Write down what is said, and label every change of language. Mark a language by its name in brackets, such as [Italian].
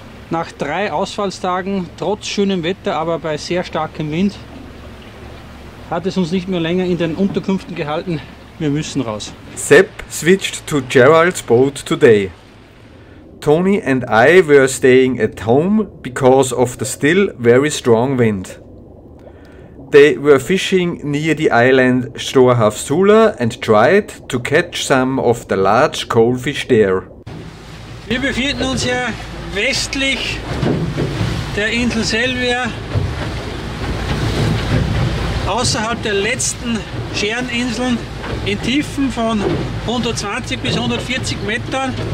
[German] Nach 3 Ausfallstagen, trotz schönem Wetter, aber bei sehr starkem Wind, hat es uns nicht mehr länger in den Unterkünften gehalten. Wir müssen raus. [English] Sepp switched to Gerald's boat today. Tony and I were staying at home because of the still very strong wind. They were fishing near the island Storhavsula and tried to catch some of the large coalfish there. [German] Wir befinden uns hier westlich der Insel Selvaer, außerhalb der letzten Schäreninseln, in Tiefen von 120 bis 140 Metern.